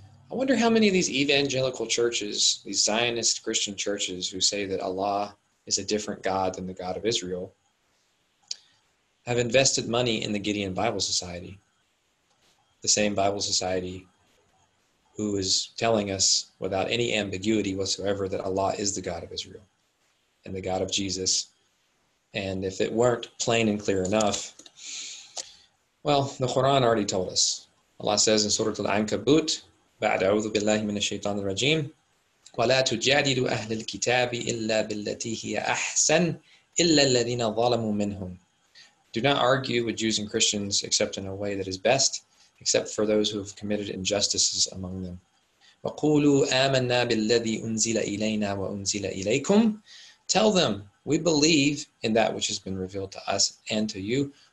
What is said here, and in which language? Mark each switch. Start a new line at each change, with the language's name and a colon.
English: I wonder how many of these evangelical churches, these Zionist Christian churches who say that Allah is a different God than the God of Israel, have invested money in the Gideon Bible Society, the same Bible Society who is telling us without any ambiguity whatsoever that Allah is the God of Israel and the God of Jesus. And if it weren't plain and clear enough, well, the Quran already told us. Allah says in Surah Al-Ankabut,
Arabic: بَعْدَ أَعُوذُ بِاللَّهِ مِنَ الشَّيْطَانِ الرَّجِيمِ وَلَا تُجَادِلُ أَهْلِ الْكِتَابِ إِلَّا بِالَّتِي هِيَ أَحْسَنِ إِلَّا الَّذِينَ ظَلَمُوا مِنْهُمْ.
English: Do not argue with Jews and Christians except in a way that is best, except for those who have committed injustices among them.
Arabic: وَقُولُوا آمَنَّا بِالَّذِي أُنزِلَ إِلَيْنَا وَأُنزِلَ إِلَيْكُمْ.
English: Tell them, we believe in that which has been revealed to us and to you.